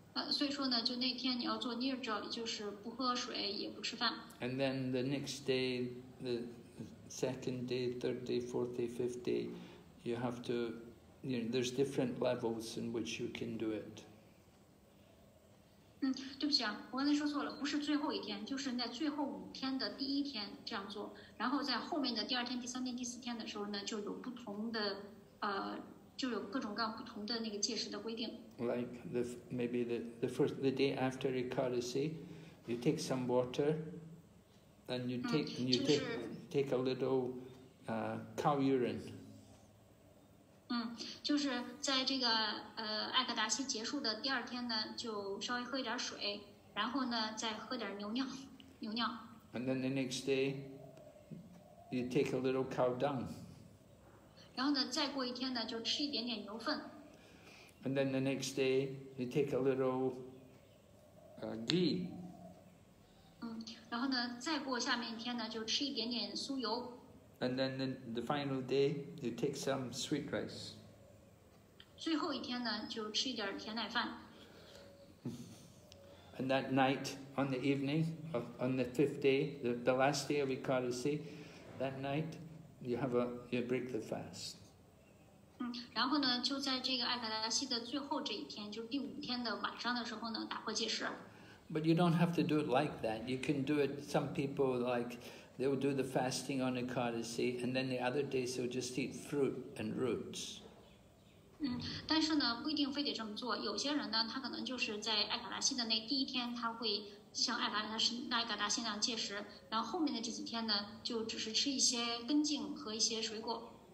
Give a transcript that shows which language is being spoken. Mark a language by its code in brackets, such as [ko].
[zh] 所以说呢，就那天你要做 nirjal， 就是不喝水，也不吃饭。 [en] And then the next day, the second day, third day, fourth day, fifth day, you have to, you know, there's different levels in which you can do it. [zh] 对不起啊，我刚才说错了，不是最后一天，就是在最后五天的第一天这样做，然后在后面的第二天、第三天、第四天的时候呢，就有不同的。就有各种各样不同的那个戒食的规定。 [en] Like the day after Ekadasi, you take some water, and you take、 [zh] 就是、 [en] you take a little cow urine. [zh] 就是在这个艾克达西结束的第二天呢，就稍微喝一点水，然后呢再喝点牛尿牛尿。 [en] And then the next day, you take a little cow dung. [zh] 然后呢再过一天呢就吃一点点牛粪。 [en] And then the next day, you take a little, ghee. [zh] 嗯，然后呢再过下面一天呢就吃一点点酥油。 [en] And then the final day, you take some sweet rice. [zh] 最后一天呢就吃一点甜奶饭。 [en] And that night, on the evening, on the fifth day, the last day of Ekadasi, that night, you break the fast. [zh] 嗯，然后呢，就在这个艾卡达西的最后这一天，就第五天的晚上的时候呢，打破戒食。 [en] But you don't have to do it like that. You can do it, some people like, they will do the fasting on Ekadasi, and then the other days they will just eat fruit and roots. [zh] 嗯，但是呢，不一定非得这么做。有些人呢，他可能就是在艾卡达西的那第一天，他会像艾卡达西那样戒食，然后后面的这几天呢，就只是吃一些根茎和一些水果。